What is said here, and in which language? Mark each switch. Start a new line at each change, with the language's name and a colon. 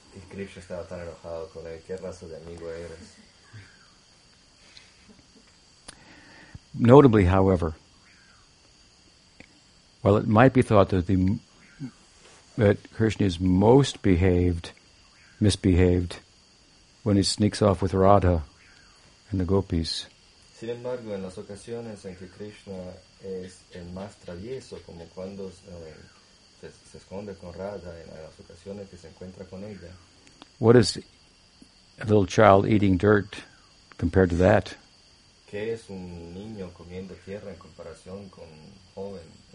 Spanish: Y Krishna estaba tan enojado con él. ¿Qué raza de amigo eres?
English: Notably, however, well, it might be thought that Krishna is most misbehaved when he sneaks off with Radha and the gopis.
Spanish: Sin embargo, en las ocasiones en que Krishna es el más travieso, como cuando se esconde con Radha, en las ocasiones que se encuentra con ella.
English: What is a little child eating dirt compared to that?
Spanish: ¿Qué es un niño comiendo tierra en comparación con joven?